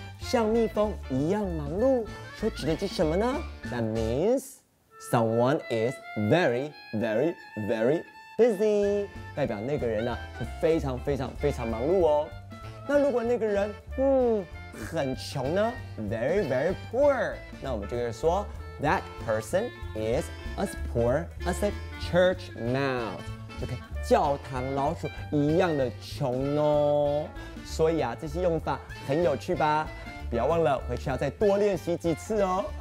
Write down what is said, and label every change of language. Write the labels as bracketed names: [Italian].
[Chinese] 像蜜蜂一样忙碌，所指的是什么呢？ [English] That means... Someone is very, very, very busy. [Chinese] 代表那个人呢、啊、是非常非常非常忙碌哦。那如果那个人很穷呢 ？ [English] Very, very poor. [Chinese] 那我们就可以说 [English] That person is as poor as a church mouse. [Chinese] 就跟教堂老鼠一样的穷哦。所以啊，这些用法很有趣吧？不要忘了回去要再多练习几次哦。